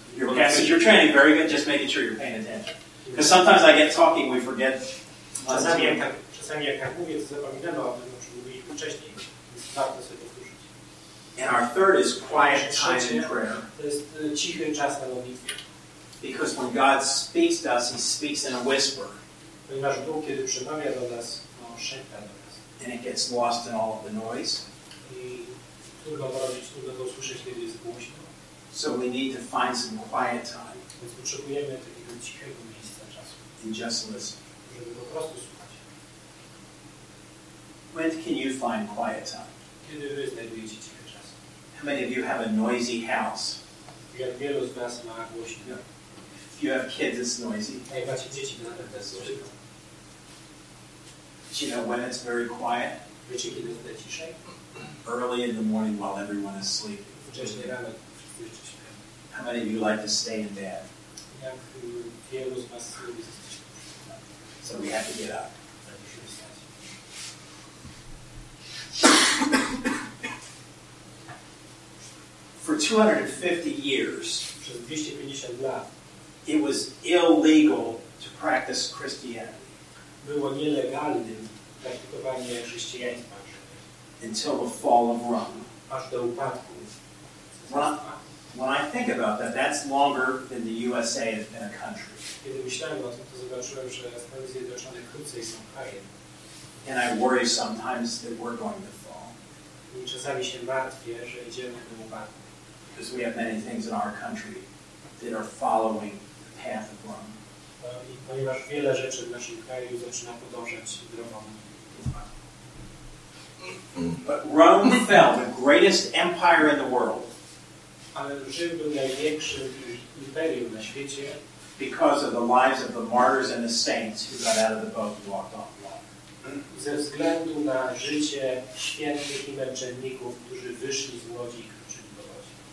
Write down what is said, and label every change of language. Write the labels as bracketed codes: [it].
[en] Your boss is your training. Very good. Just making sure you're paying attention. Because sometimes I get talking, we forget. [pl] Czasami jak mówię, to zapominamy o tym, o czym mówili wcześniej. Więc warto sobie powtórzyć. [en] And our third is quiet time in prayer. [pl] To jest cichy czas na modlitwie. [en] Because when God speaks to us, he speaks in a whisper. [pl] Ponieważ Bóg, kiedy przemawia do nas, on szepta do nas. [en] And it gets lost in all of the noise. [pl] Trudno to robić, trudno to usłyszeć, kiedy jest głośno. [en] So we need to find some quiet time. [pl] Więc potrzebujemy takiego cichego miejsca czasu. [en] And just listen. [pl] Żeby po prostu słuchać. [en] When can you find quiet time? [pl] Kiedy wy znajdujecie cichy czas? [en] How many of you have a noisy house? [pl] Jak wielu z was ma głośno. [en] Yeah. If you have kids, it's noisy. [pl] A jak macie dzieci, to nawet jest głośno. [en] Do you know when it's very quiet? [pl] Wiecie, kiedy jest ciszej? [en] Early in the morning while everyone is sleeping. [pl] Wcześniej rano. [en] How many of you like to stay in bed? [pl] Jak wielu z was lubi zostać. [en] So we have to get up. [pl] Musimy wstać. [en] For 250 years, [pl] przez 250 lat, [en] it was illegal to practice Christianity. [pl] Było nielegalnym praktykowanie chrześcijaństwa. [en] Until the fall of Rome. [pl] Aż do upadku. [en] When I think about that, that's longer than the USA has been a country. [pl] Kiedy myślałem o tym, to zobaczyłem, że Stany Zjednoczone krócej są krajem. [en] And I worry sometimes that we're going to fall. [pl] I czasami się martwię, że idziemy do upadku. [en] Because we have many things in our country that are following the path of Rome. [pl] Ponieważ wiele rzeczy w naszym kraju zaczyna podążać drogą upadku. [en] But Rome fell, the greatest empire in the world. [pl] Ale Rzym był największym imperium na świecie. [en] Because of the lives of the martyrs and the saints who got out of the boat and walked off the water. [pl] Ze względu na życie świętych i męczenników, którzy wyszli z łodzi i kroczyli do łodzi.